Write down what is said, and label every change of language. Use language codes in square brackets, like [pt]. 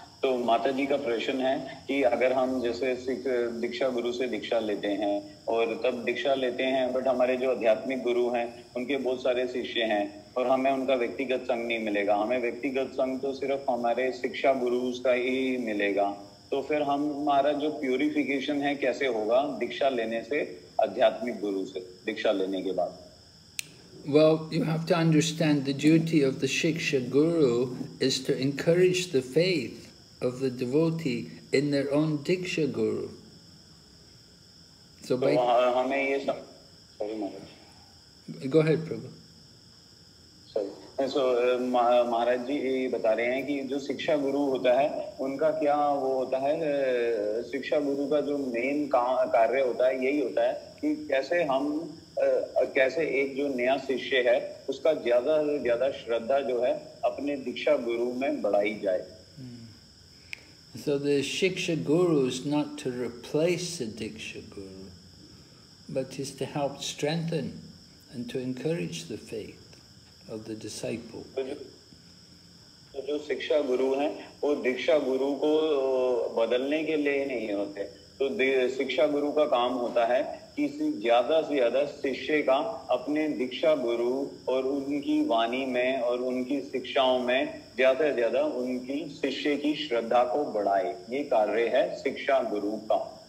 [hi] तो माता जी का प्रश्न है कि अगर हम जैसे दीक्षा गुरु से दीक्षा लेते हैं और तब दीक्षा लेते हैं बट हमारे जो आध्यात्मिक गुरु हैं उनके बहुत सारे शिष्य हैं और हमें उनका व्यक्तिगत संग नहीं मिलेगा, हमें व्यक्तिगत संग तो सिर्फ हमारे शिक्षा गुरुज का ही मिलेगा, तो फिर हमारा जो प्यूरिफिकेशन है कैसे होगा दीक्षा लेने से आध्यात्मिक गुरु से दीक्षा लेने के बाद? [en] Well, you have to understand the duty of the Shiksha Guru is to encourage the faith of the devotee in their own Diksha Guru. So by... Go ahead, Prabhu. [hi] So, Maharaj ji bata rahe hain ki jo Shiksha Guru hota hai, unka kya wo hota hai? Shiksha Guru ka jo main karya hota hai, yehi hota hai ki kaise hum कैसे एक जो नया शिष्य है उसका ज्यादा से ज्यादा श्रद्धा जो है अपने दीक्षा गुरु में बढ़ाई जाए. [en] So the Shiksha Guru is not to replace the Diksha Guru, but is to help strengthen and to encourage the faith of the disciple. [hi] तो जो शिक्षा गुरु हैं वो दीक्षा गुरु को बदलने के लिए नहीं होते, तो शिक्षा गुरु का काम होता है किसी ज्यादा से ज्यादा शिष्य का अपने दीक्षा गुरु और उनकी वाणी में और उनकी शिक्षाओं में ज्यादा से ज्यादा उनकी शिष्य की श्रद्धा को बढ़ाए, ये कार्य है शिक्षा गुरु का.